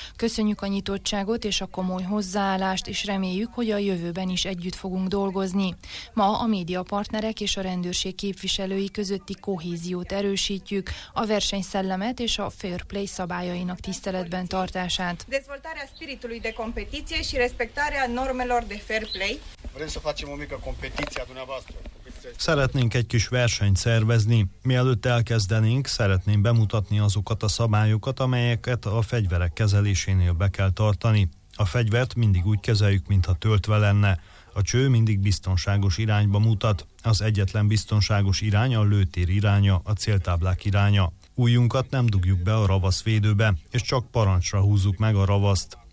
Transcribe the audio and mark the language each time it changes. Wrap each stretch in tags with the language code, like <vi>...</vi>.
<hu>Köszönjük a nyitottságot és a komoly hozzáállást, és reméljük, hogy a jövőben is együtt fogunk dolgozni. Ma a média partnerek és a rendőrség képviselői közötti kohéziót erősítjük, a versenyszellemet és a Fair Play szabályainak tiszteletben tartását.</hu> <ro>Dezvoltarea spiritului de competiție și respectarea normelor de fair play. Vrem să facem o mică competiție a dumneavoastră.</ro> <hu>Szeretnénk egy kis versenyt szervezni. Mielőtt elkezdenénk, szeretném bemutatni azokat a szabályokat, amelyeket a fegyverek kezelésénél be kell tartani. A fegyvert mindig úgy kezeljük, mintha töltve lenne. A cső mindig biztonságos irányba mutat. Az egyetlen biztonságos irány a lőtér iránya, a céltáblák iránya. Ujjunkat nem dugjuk be a ravasz védőbe, és csak parancsra húzzuk meg a ravaszt.</hu>